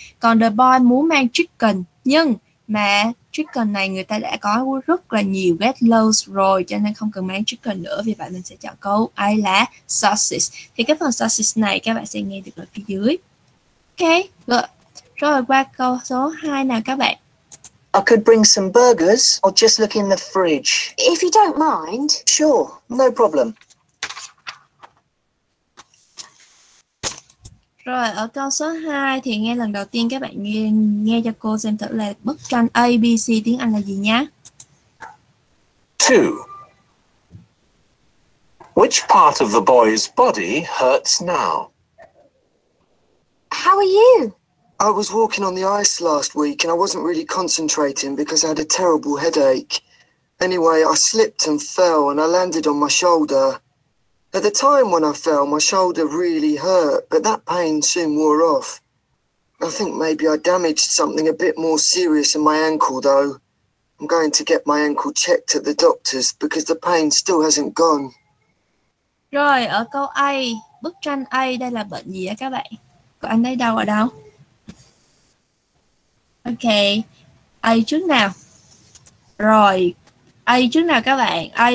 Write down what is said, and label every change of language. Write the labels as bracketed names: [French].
[Vietnamese] Còn [English] the boy [Vietnamese] muốn mang chicken, nhưng mà chicken này người ta đã có rất là nhiều [English] get loads [Vietnamese] rồi, cho nên không cần mang chicken nữa. Vì vậy mình sẽ chọn câu A là sausage. Thì cái phần sausage này các bạn sẽ nghe được ở phía dưới. [English] Ok, good. [Vietnamese] Rồi qua câu số 2 nào các bạn. [English] I could bring some burgers or just look in the fridge. If you don't mind. Sure, no problem. [Vietnamese] Rồi, ở câu số 2 thì nghe lần đầu tiên các bạn nghe cho cô xem thử là bức tranh A, B, C tiếng Anh là gì nhé. [English] 2. Which part of the boy's body hurts now? How are you? I was walking on the ice last week and I wasn't really concentrating because I had a terrible headache. Anyway, I slipped and fell and I landed on my shoulder. At the time when I fell, my shoulder really hurt, but that pain soon wore off. I think maybe I damaged something a bit more serious in my ankle, though. I'm going to get my ankle checked at the doctor's because the pain still hasn't gone. [Vietnamese] Rồi, ở câu A, bức tranh A, đây là bệnh gì á các bạn? Còn anh ấy đau ở đâu? Ok, A trước nào? Rồi, A trước nào các bạn?